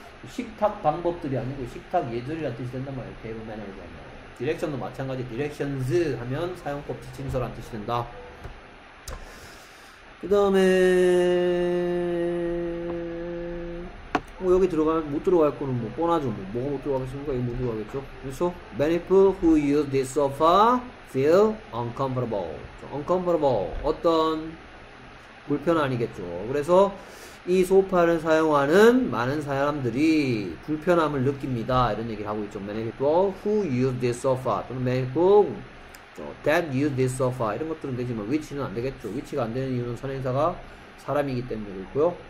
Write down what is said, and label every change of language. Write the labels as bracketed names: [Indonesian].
[Korean] 식탁 방법들이 아니고 식탁 예절이란 뜻이 된단 말이에요. 테이블 매너리즘 하면. 디렉션도 마찬가지. 디렉션즈 하면 사용법 지침서란 뜻이 된다. 그 다음에 뭐 여기 들어가면 못 들어갈 거는 뭐 뻔하죠. 뭐 뭐가 못 들어가겠습니까? 이거 못 들어가겠죠. [English] 그래서 Many people who use this sofa feel uncomfortable. [Korean] Uncomfortable. 어떤 불편함이겠죠. 그래서 이 소파를 사용하는 많은 사람들이 불편함을 느낍니다. 이런 얘기를 하고 있죠. [English] Many people who use this sofa 또는 many people that use this sofa [Korean] 이런 것들은 되지만 위치는 안 되겠죠. 위치가 안 되는 이유는 선행사가 사람이기 때문에 그렇고요.